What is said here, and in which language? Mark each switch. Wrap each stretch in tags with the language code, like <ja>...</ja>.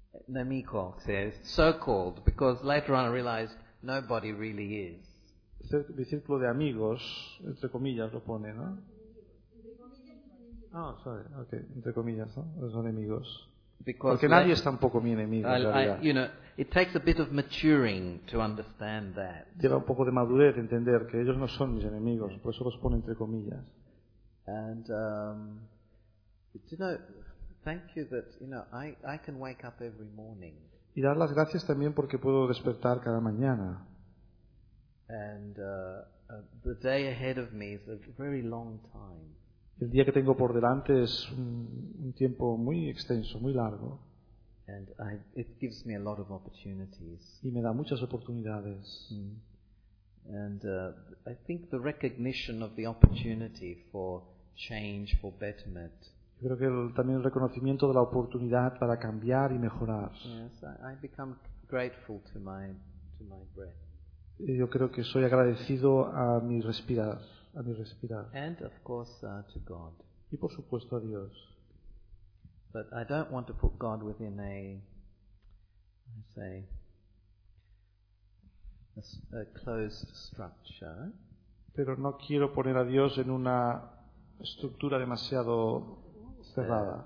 <en>Namiko says, so-called, because later on I realized nobody really is.</en> <es>Mi círculo de amigos, entre comillas, lo pone, ¿no?</es> <en>Ah, sorry, okay,</en> <es>entre comillas, ¿no? Los enemigos.</es> <en>Because</en> <es>porque nadie es tampoco mi enemigo, en realidad.</es> <en>You know, it takes a bit of maturing to understand that.</en> <es>Lleva un poco de madurez entender que ellos no son mis enemigos, por eso los pone entre comillas.</es> <en>And you know, thank you that you know I can wake up every morning.</en> <es>Y dar las gracias también porque puedo despertar cada mañana.</es> <en>And the day ahead of me is a very long time.</en> <es>El día que tengo por delante es un tiempo muy extenso, muy largo.</es> <en>And it gives me a lot of opportunities.</en> <es>Y me da muchas oportunidades. Mm.</es> <en>And I think the recognition of the opportunity for change, for betterment.</en> <es>Yo creo que también el reconocimiento de la oportunidad para cambiar y mejorar.</es> <en>Yes, I become grateful to my breath.</en> <es>Yo creo que soy agradecido a mi respirar.</es> <en>And of course to God.</en> <es>Y por supuesto a Dios.</es> <en>But I don't want to put God within a closed structure.</en> <es>Pero no quiero poner a Dios en una estructura demasiado cerrada.</es>